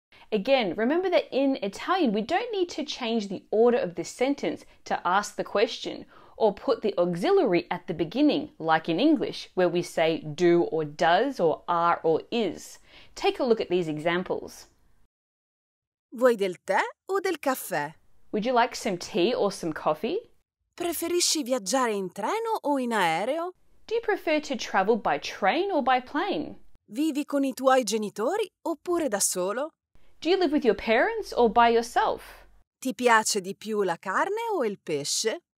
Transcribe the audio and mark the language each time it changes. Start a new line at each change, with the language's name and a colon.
English: Again, remember that in Italian, we don't need to change the order of the sentence to ask the question or put the auxiliary at the beginning, like in English, where we say do or does or are or is. Take a look at these examples.
Italian: Vuoi del tè o del caffè?
English: Would you like some tea or some coffee?
Italian: Preferisci viaggiare in treno o in aereo?
English: Do you prefer to travel by train or by plane?
Italian: Vivi con i tuoi genitori oppure da solo?
English: Do you live with your parents or by yourself?
Italian: Ti piace di più la carne o il pesce?